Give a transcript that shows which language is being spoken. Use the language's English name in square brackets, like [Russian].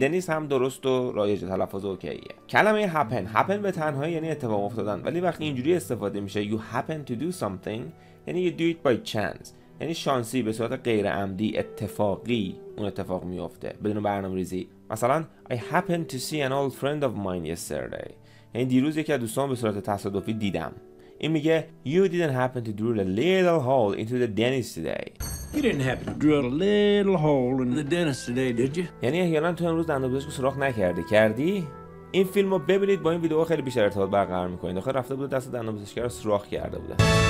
[Persian] dentist هم درست و رایج تلفظ اوکیه. کلمه happen، happen به تنهایی یعنی اتفاق افتادن، ولی وقتی اینجوری استفاده میشه [English] you happen to do something، [Persian] یعنی [English] you do it by chance، [Persian] یعنی شانسی به صورت غیر عمدی اتفاقی اون اتفاق میفته بدون برنامه‌ریزی. مثلا [English] I happened to see an old friend of mine yesterday، [Persian] یعنی دیروز یکی از دوستان به صورت تصادفی دیدم. [English] این میگه You didn't happen to drill a little hole into the dentist today. You didn't happen to drill a little hole into the dentist today, did you? [Persian] یعنی احیانا تو امروز دندانپزشک سراخ نکردی، کردی؟ این فیلمو ببینید، با این ویدیو خیلی بیشتر ارتباط برقرار می‌کنید. آخه رفته بود دست دندانپزشک رو سوراخ کرده بود.